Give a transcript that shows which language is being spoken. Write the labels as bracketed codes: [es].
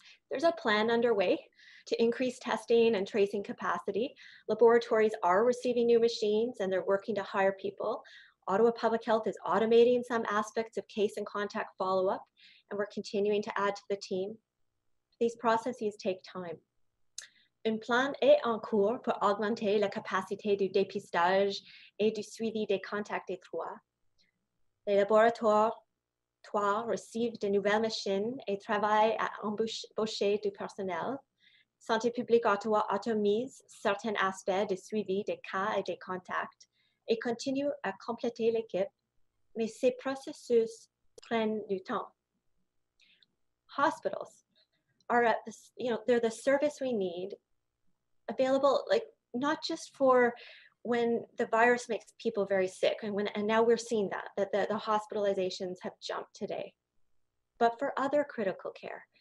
[en] There's a plan underway to increase testing and tracing capacity. Laboratories are receiving new machines and they're working to hire people. Ottawa Public Health is automating some aspects of case and contact follow-up, and we're continuing to add to the team. These processes take time. [fr] Un plan est en cours pour augmenter la capacité du dépistage et du suivi des contacts étroits. Les laboratoires reçoivent de nouvelles machines et travaillent à embaucher du personnel. Santé publique Ottawa automise certains aspects de suivi des cas et des contacts et continue à compléter l'équipe, mais ces processus prennent du temps. [en] Hospitals are at the, you know, they're the service we need available, like not just for when the virus makes people very sick, and now we're seeing that the hospitalizations have jumped today, but for other critical care.